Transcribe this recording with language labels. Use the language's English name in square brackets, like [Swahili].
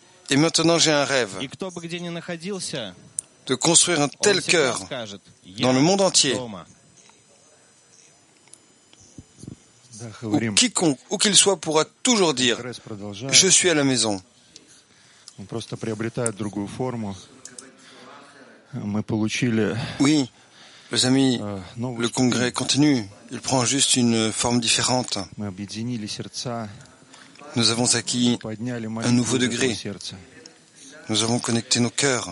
[French] Et maintenant j'ai un rêve de construire un tel cœur dans le monde entier. Où quiconque, où qu'il soit, pourra toujours dire « Je suis à la maison ». [Russian] Он просто приобретает другую форму. Мы получили. [French] Oui, les amis, le congrès continue. Il prend juste une forme différente. [Russian] Мы объединили сердца. [French] Nous avons acquis un nouveau degré. Nous avons connecté nos cœurs.